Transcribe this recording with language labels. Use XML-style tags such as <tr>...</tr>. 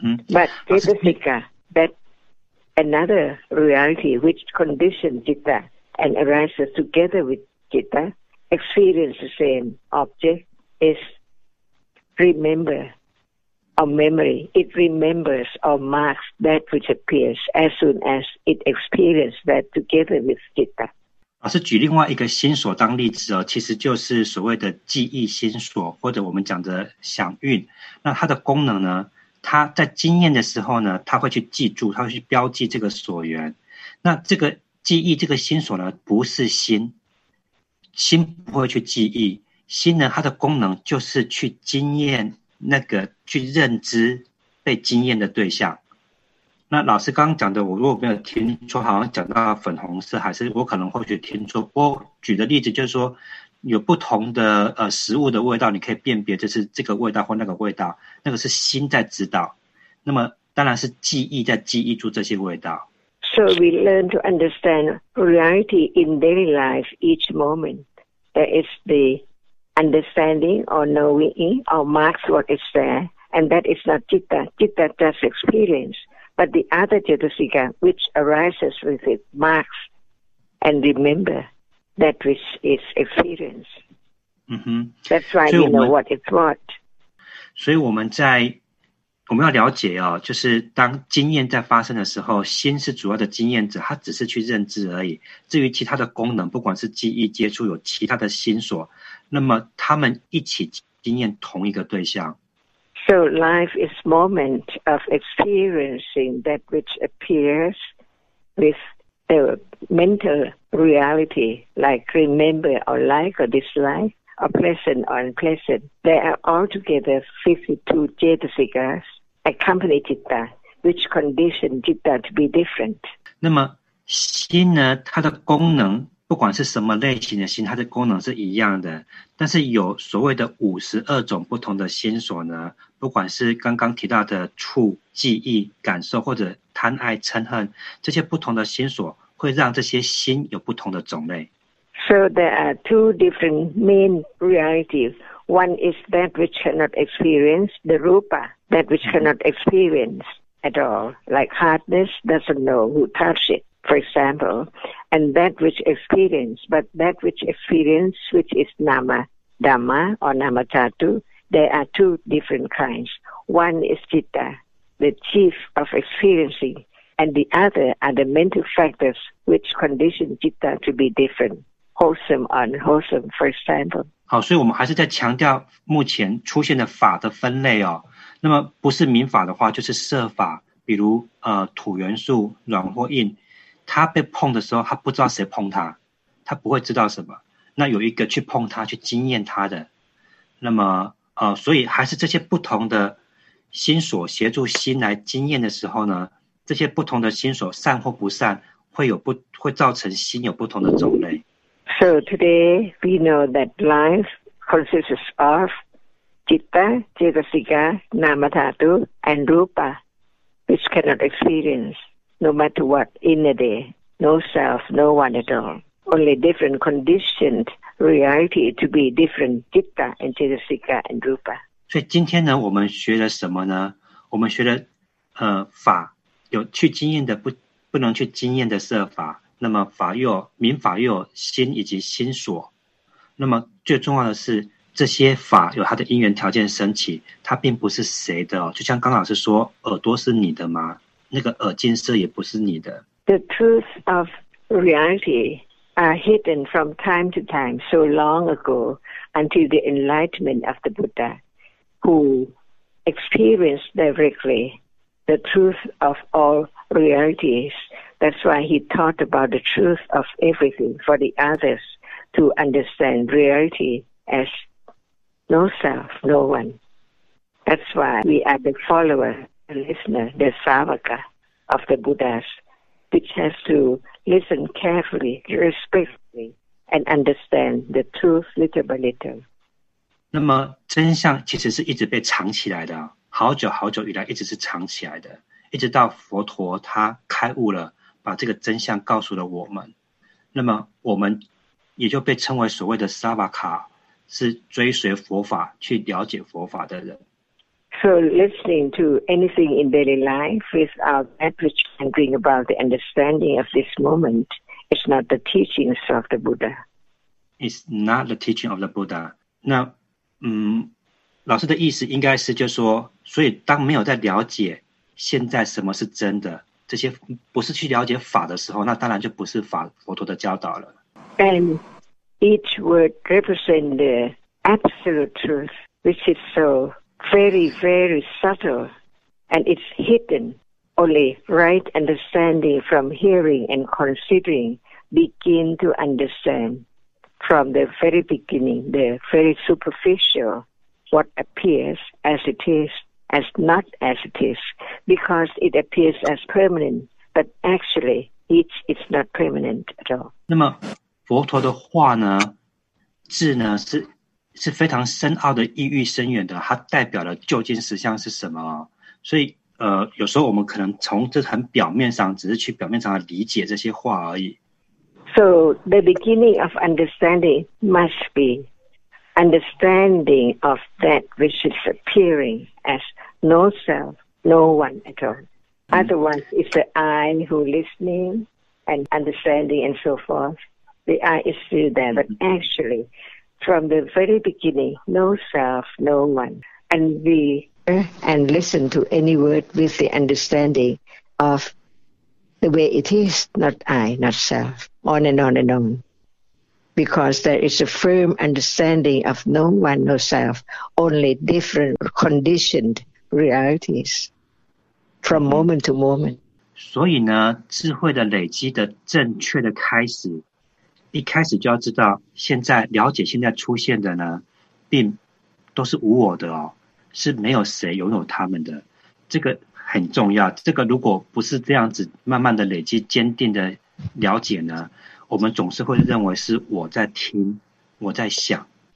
<en>But cetasika, that another reality which conditions citta and arises together with citta, experience the same object is remember or memory. It remembers or marks that which appears as soon as it experiences that together with citta.</en> <zh>老师举另外一个心所当例子，其实就是所谓的记忆心所，或者我们讲的想运。那它的功能呢，它在经验的时候呢，它会去记住，它会去标记这个所缘。那这个记忆这个心所呢，不是心，心不会去记忆，心呢它的功能就是去经验，那个去认知被经验的对象。那老师刚刚讲的，我如果没有听错，好像讲到粉红色，还是我可能或许听错。我举的例子就是说，有不同的食物的味道，你可以辨别就是这个味道或那个味道，那个是心在指导，那么当然是记忆在记忆住这些味道。</zh> <en>So we learn to understand reality in daily life each moment. There is the understanding or knowing or marks what is there, and that is not citta. Citta just experience, but the other chetasika which arises with it marks and remember that which is experience. Mm-hmm. That's why you know what it's what.</en> <zh>所以我们在我们要了解哦，就是当经验在发生的时候，心是主要的经验者，它只是去认知而已。至于其他的功能，不管是记忆、接触，有其他的心所，那么他们一起经验同一个对象。</zh> <en>So life is moment of experiencing that which appears with the mental reality, like remember or like or dislike. A pleasant or unpleasant, there are altogether 52 jetasikas accompany citta, which condition citta to be different.</en> <zh>那么心呢，它的功能不管是什么类型的心，它的功能是一样的。但是有所谓的52种不同的心所呢，不管是刚刚提到的触、记忆、感受或者贪爱、嗔恨，这些不同的心所会让这些心有不同的种类。</zh> <en>So there are two different main realities. One is that which cannot experience, the rupa, that which cannot experience at all. Like hardness doesn't know who touched it, for example. And that which experience, but that which experience, which is nama dhamma or nama tattu, there are two different kinds. One is citta, the chief of experiencing, and the other are the mental factors which condition citta to be different. Wholesome, unwholesome, for example.</en> <zh>好，所以我们还是在强调目前出现的法的分类哦。那么不是明法的话，就是色法，比如土元素、软或硬，它被碰的时候，它不知道谁碰它，它不会知道什么。那有一个去碰它、去经验它的，那么所以还是这些不同的心所协助心来经验的时候呢，这些不同的心所善或不善，会造成心有不同的种类。</zh> <en>So today we know that life consists of citta, cetasika, nama dhatu, and rupa, which cannot experience no matter what in a day, no self, no one at all. Only different conditioned reality to be different citta and cetasika and rupa.</en> <zh>所以今天呢，我们学了什么呢？我们学了法，有去经验的不能去经验的色法。那么法又有明法，又有心以及心所，那么最重要的是这些法有它的因缘条件升起，它并不是谁的哦。就像刚老师说，耳朵是你的吗？那个耳镜色也不是你的。</zh> <en>The truth of reality are hidden from time to time so long ago until the enlightenment of the Buddha, who experienced directly the truth of all realities. That's why he taught about the truth of everything for the others to understand reality as no self, no one. That's why we are the follower, the listener, the savaka of the Buddhas, which has to listen carefully, respectfully, and understand the truth little by little.</en> <zh>那么真相其实是一直被藏起来的，好久好久以来一直是藏起来的，一直到佛陀他开悟了。把这个真相告诉了我们，那么我们也就被称为所谓的萨瓦卡，是追随佛法去了解佛法的人。</zh> <en>So listening to anything in daily life without that which can bring about the understanding of this moment is not the teachings of the Buddha. It's not the teaching of the Buddha.</en> <zh>那老师的意思应该是就是说，所以当没有在了解现在什么是真的。这些不是去了解法的时候，那当然就不是法佛陀的教导了。</zh> <en>And each word represents the absolute truth, which is so very, very subtle, and it's hidden. Only right understanding from hearing and considering begin to understand from the very beginning, the very superficial, what appears as it is, as not as it is, because it appears as permanent, but actually it's not permanent at all.</en> <zh>那么佛陀的话呢，字呢是非常深奥的，意蕴深远的，它代表了究竟实相是什么。所以有时候我们可能从这很表面上，只是去表面上理解这些话而已。</zh> <en>So the beginning of understanding must be understanding of that which is appearing as no self, no one at all. Otherwise, it's the I who listening and understanding and so forth. The I is still there, but actually, from the very beginning, no self, no one. And we hear and listen to any word with the understanding of the way it is, not I, not self, on and on and on. Because there is a firm understanding of no one, no self, only different conditioned realities from moment to moment.</en> <zh>所以呢，智慧的累积的正确的开始，一开始就要知道，现在了解现在出现的呢，并都是无我的哦，是没有谁拥有他们的。这个很重要，这个如果不是这样子慢慢的累积坚定的了解呢，我们总是会认为是我在听，我在想。</zh>